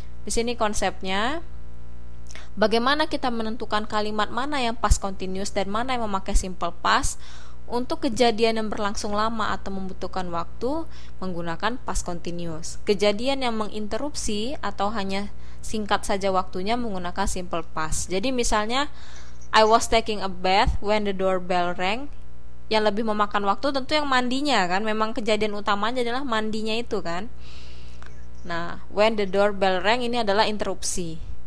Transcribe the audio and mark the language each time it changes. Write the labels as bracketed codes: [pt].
[id] Di sini konsepnya, bagaimana kita menentukan kalimat mana yang past continuous dan mana yang memakai simple past untuk kejadian yang berlangsung lama atau membutuhkan waktu menggunakan past continuous. Kejadian yang menginterupsi atau hanya singkat saja waktunya menggunakan simple past. [en] Jadi misalnya, I was taking a bath when the doorbell rang. [id] Yang lebih memakan waktu tentu yang mandinya kan. Memang kejadian utamanya adalah mandinya itu kan. Nah, when the doorbell rang ini adalah interupsi.